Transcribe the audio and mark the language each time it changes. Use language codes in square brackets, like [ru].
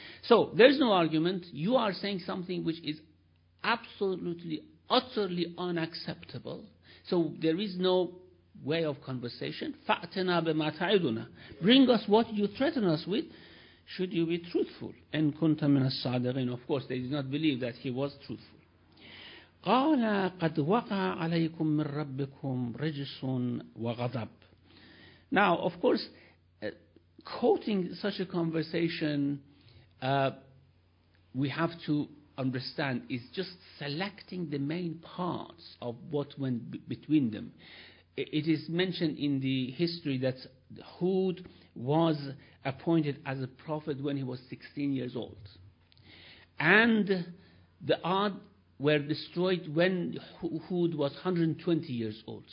[en] So, there's no argument. You are saying something which is absolutely, utterly unacceptable. So, there is no way of conversation. [ar] فَأْتَنَا بِمَا تَعِدُنَا. [en] Bring us what you threaten us with, should you be truthful. [ar] إِن كُنْتَ مِنَ الصَّادِقِينَ. [en] Of course, they did not believe that he was truthful. [ar] قال قد وقع عليكم من ربكم رجس وغضب. [en] Now, of course, quoting such a conversation, we have to understand, is just selecting the main parts of what went between them. It is mentioned in the history that Hud was appointed as a prophet when he was 16 years old, and the Ad were destroyed when Hud was 120 years old.